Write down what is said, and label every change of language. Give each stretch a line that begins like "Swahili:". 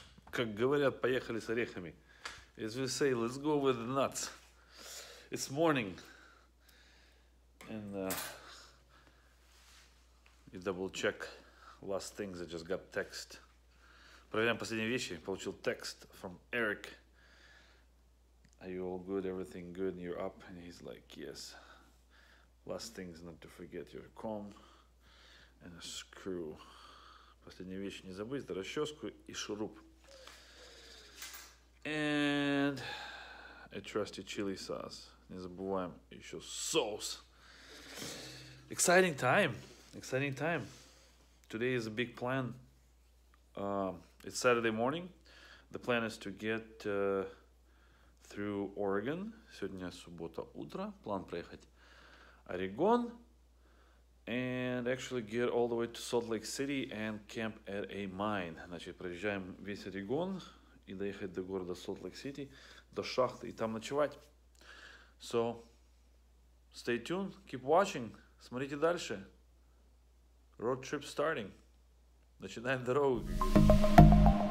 Russian: как говорят, поехали с орехами.
English: As we say, let's go with the nuts. It's morning. And you double check last things. I just got text.
Russian: Проверяем последние вещи. Получил
English: text from Eric. Are you all good? Everything good? And you're up? And he's like, yes. Last things not to forget your comb and a screw.
Russian: Последние вещи не забыть. Это расческу и шуруп.
English: And a trusty chili sauce.
Russian: Не забываем еще соус.
English: Exciting time. Exciting time. Today is a big plan. It's Saturday morning. The plan is to get through Oregon.
Russian: Сегодня суббота утро. План проехать Орегон.
English: And actually get all the way to Salt Lake City and camp at a mine.
Russian: Значит, проезжаем весь Орегон и доехать до города Salt Lake City, до шахты и там ночевать.
English: So, stay tuned, keep watching,
Russian: смотрите дальше.
English: Road trip starting.
Russian: Начинаем дорогу.